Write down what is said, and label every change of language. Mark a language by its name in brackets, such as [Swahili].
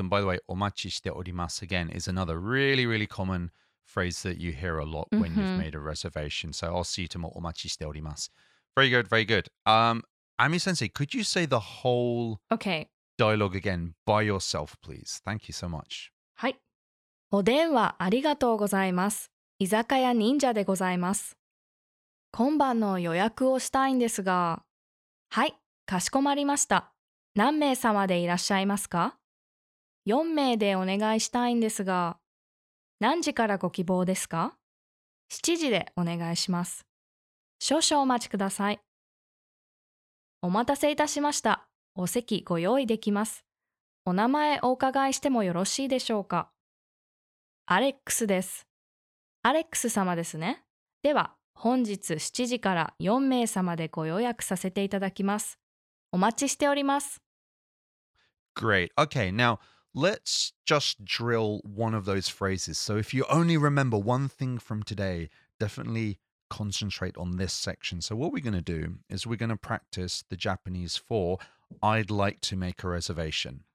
[English] And by the way, [Japanese] omachi shite orimasu [English] again is another really, really common phrase that you hear a lot mm-hmm. when you've made a reservation. So I'll see you tomorrow. [Japanese] Omachi shite orimasu. [English] Very good. Very good. Ami sensei, could you say the whole dialogue again by yourself, please? Thank you so much. [Japanese] はい。お電話ありがとうございます。居酒屋忍者でございます。今晩の予約をしたいんですが、はい、かしこまりました。何名様でいらっしゃいますか ?4 名でお願いしたいんですが、何時からご希望ですか ?7 時でお願いします。少々お待ちください。お待たせいたしました。お席ご用意できます。お名前お伺いしてもよろしいでしょうか? アレックスです。アレックス様ですね。では、本日7時から4名様でご予約させていただきます。お待ちしております。 [English] Great. Okay, now let's just drill one of those phrases. So if you only remember one thing from today, definitely concentrate on this section. So what we're going to do is we're going to practice the Japanese for I'd like to make a reservation.